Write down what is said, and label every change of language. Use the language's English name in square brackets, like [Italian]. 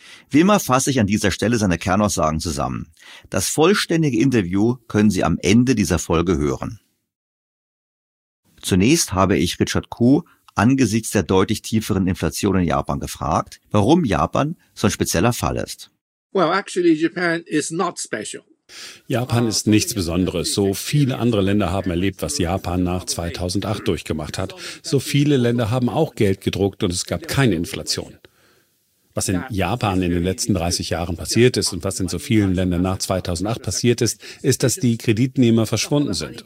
[German] Wie immer fasse ich an dieser Stelle seine Kernaussagen zusammen. Das vollständige Interview können Sie am Ende dieser Folge hören. Zunächst habe ich Richard Koo angesichts der deutlich tieferen Inflation in Japan gefragt, warum Japan so ein spezieller Fall ist. [English] Well, actually Japan is not special. [German] Japan ist nichts Besonderes. So viele andere Länder haben erlebt, was Japan nach 2008 durchgemacht hat. So viele Länder haben auch Geld gedruckt und es gab keine Inflation. Was in Japan in den letzten 30 Jahren passiert ist und was in so vielen Ländern nach 2008 passiert ist, ist, dass die Kreditnehmer verschwunden sind.